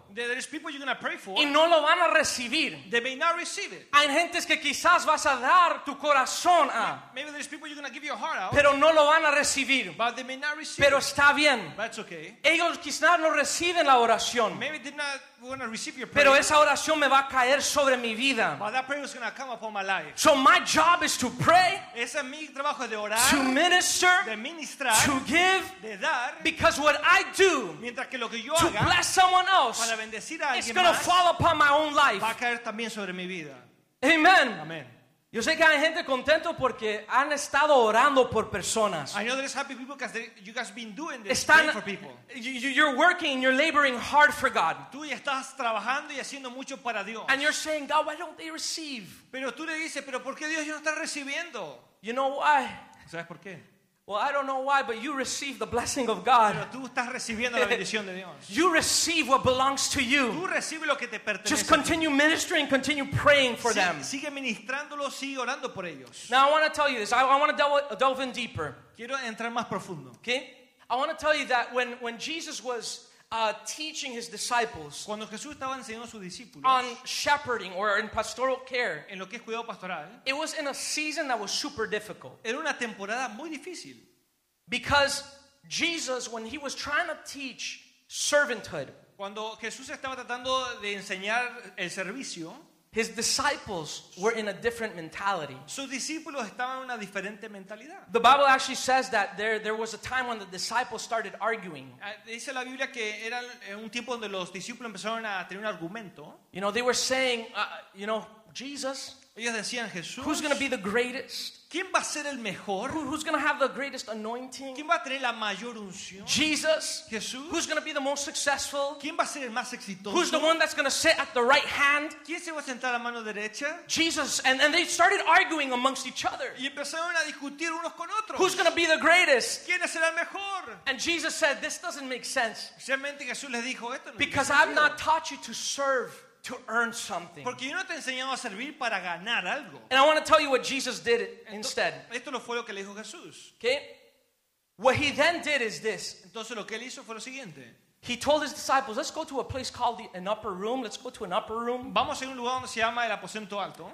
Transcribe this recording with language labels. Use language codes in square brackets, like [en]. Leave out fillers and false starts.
[en] there's people you're going to pray for, [es] y no lo van a recibir. [en] They may not receive it. [es] And gentes que quizás vas a dar tu corazón a, [en] maybe there's people you're going to give your heart out, [es] pero no lo van a recibir. [en] But they may not receive. [es] Pero está bien. [en] But it's okay. [es] Ellos quizás no reciben la oración. [en] Maybe they did not going to receive your prayer. [es] Pero esa oración me va a caer sobre mi vida. [en] But that prayer is going to come upon my life. So my job is to pray. [es] Ese es mi trabajo de orar. [en] To minister. [es] De ministrar. [en] To give. [es] De dar. [en] Because what I do. [es] Mientras que lo que yo [en] to [es] haga. [en] To bless someone else. [es] Para bendecir a alguien más. [en] It's going to fall upon my own life. [es] Va a caer también sobre mi vida. [en] Amen. [es] Amen. Yo sé que hay gente contento porque han estado orando por personas. [en] I know there's happy people because you guys been doing this. [es] Están, [en] for people. You're working, you're laboring hard for God. [es] Tú estás trabajando y haciendo mucho para Dios. [en] And you're saying, God, why don't they receive? [es] Pero tú le dices, pero ¿por qué Dios no está recibiendo? [en] You know why? [es] ¿Sabes por qué? [en] Well, I don't know why, but you receive the blessing of God. [es] Pero tú estás recibiendo la bendición de Dios. [en] You receive what belongs to you. [es] Tú recibes lo que te pertenece. [en] Just continue ministering, continue praying for them. [es] Sigue ministrándolo, sigue orando por ellos. [en] Now I want to tell you this. I want to delve in deeper. [es] Quiero entrar más profundo. [en] Okay? I want to tell you that when Jesus was teaching his disciples, [es] cuando Jesús estaba enseñando a sus discípulos, [en] on shepherding or in pastoral care, [es] en lo que es cuidado pastoral, [en] it was in a season that was super difficult. [es] Era una temporada muy difícil. [en] Because Jesus, when he was trying to teach servanthood, [es] cuando Jesús estaba tratando de enseñar el servicio, [en] his disciples were in a different mentality. [es] Sus discípulos estaban en una diferente mentalidad. [en] The Bible actually says that there was a time when the disciples started arguing. [es] Dice la Biblia que era un tiempo donde los discípulos empezaron a tener un argumento. [en] You know, they were saying, you know, Jesus, [es] Ellos decían, Jesús, [en] who's going to be the greatest? [es] ¿Quién va a ser el mejor? [en] Who's going to have the greatest anointing? [es] ¿Quién va a tener la mayor unción? [en] Jesus. [es] Jesús. [en] Who's going to be the most successful? [es] ¿Quién va a ser el más exitoso? [en] Who's the one that's going to sit at the right hand? [es] ¿Quién se va a sentar a la mano derecha? [en] Jesus. And they started arguing amongst each other. [es] Y empezaron a discutir unos con otros. [en] Who's going to be the greatest? [es] ¿Quién será el mejor? [en] And Jesus said, this doesn't make sense. [es] Realmente Jesús les dijo, esto no [en] because I've not taught you to serve. To earn something. [es] Porque yo no te he enseñado a servir para ganar algo. [en] And I want to tell you what Jesus did instead. [es] Esto no fue lo que le dijo Jesús. [en] Okay? What he then did is this. [es] Entonces lo que él hizo fue lo siguiente. [en] He told his disciples, let's go to a place called an upper room. Let's go to an upper room. [es] Vamos a un lugar donde se llama el aposento alto.